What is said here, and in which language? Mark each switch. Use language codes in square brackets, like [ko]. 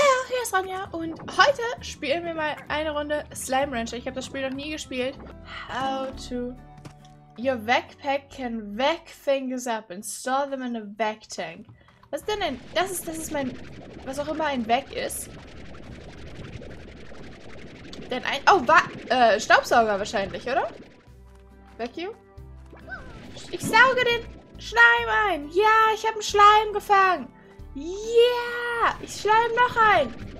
[de] hier ist Ronja und heute spielen wir mal eine Runde Slime Rancher. Ich habe das Spiel noch nie gespielt. [en] How to... Your backpack can wack things up and store them in a wack tank. [de] Was ist denn ein... Das ist mein... Was auch immer ein Wack ist. Denn ein... Oh, Staubsauger wahrscheinlich, oder? Vacuum? Ich sauge den Schleim ein. Ja, ich habe einen Schleim gefangen. Ja, yeah! Ich schleim noch ein.